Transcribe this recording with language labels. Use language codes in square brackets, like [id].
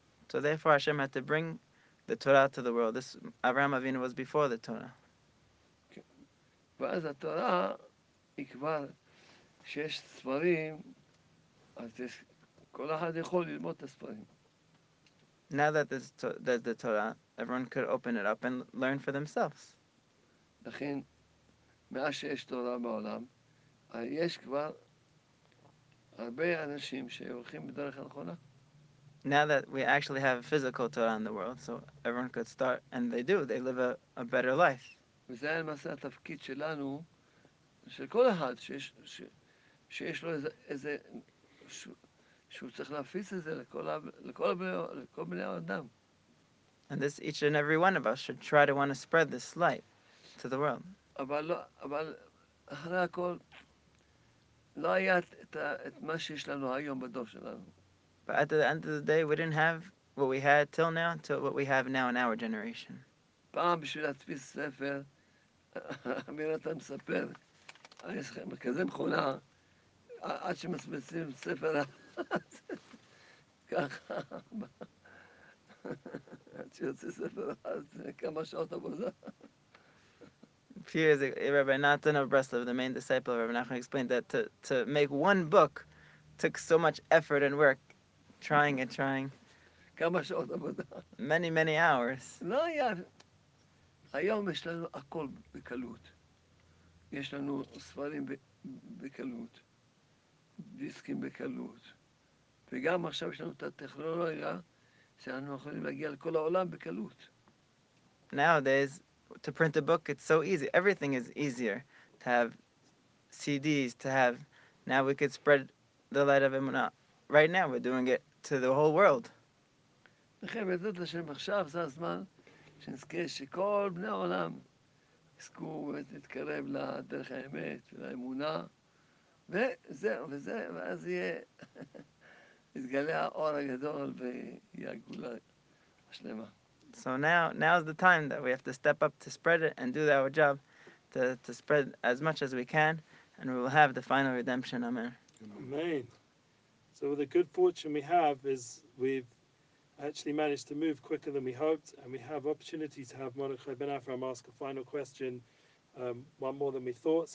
[en] So therefore, Hashem had to bring the Torah to the world. This Avraham Avinu was before the Torah. [he] ואז התורה היא כבר שיש ספרים, אז יש, כל אחד יכול ללמוד את הספרים. [en] Now that there's the Torah, everyone could open it up and learn for themselves. [he] לכן, מאז שיש תורה בעולם, יש כבר הרבה אנשים שהולכים בדרך הנכונה. [en] Now that we actually have a physical Torah in the world, so everyone could start, and they do, they live a better life. [he] וזה היה למעשה התפקיד שלנו, של כל אחד שיש לו איזה, שהוא צריך להפיץ את זה לכל בני האדם. [en] And this each and every one of us should try to want to spread this light to the world. [he] אבל אחרי הכל, לא היה את מה שיש לנו היום בדור שלנו. [en] But at the end of the day, we didn't have what we had till now, to what we have now in our generation. [he] פעם בשביל להתפיס ספר, אמיר אתה מספר, יש לכם כזה מכונה, עד שמספסים ספר אחת, ככה, עד שיוצא ספר אחת, כמה שעות עבודה. [en] Few years ago, Rabbi Natan of Breslov, the main disciple of Rabbi Nachman, explained that to make one book took so much effort and work, trying and trying. [he] כמה שעות עבודה. [en] Many, many hours. [he] לא היה. היום יש לנו הכל בקלות. יש לנו ספרים בקלות, דיסקים בקלות, וגם עכשיו יש לנו את הטכנולוגיה שאנחנו יכולים להגיע לכל העולם בקלות. [en] Nowadays, to print a book, it's so easy. Everything is easier. To have CDs, to have... Now we could spread the light of Emunah. Right now, we're doing it to the whole world. [he] לכן, בעזרת השם, עכשיו זה הזמן שנזכה שכל בני העולם יזכו ותתקרב לדרך האמת ולאמונה, וזהו, ואז יהיה... יתגלה האור הגדול ויהיה הגאולה השלמה. [en] So now is the time that we have to step up to spread it and do our job to spread as much as we can, and we will have the final redemption. Amen. Amen. So the good fortune we have is we've actually managed to move quicker than we hoped, and we have opportunity to have Mordechai Ben Avraham ask a final question, one more than we thought.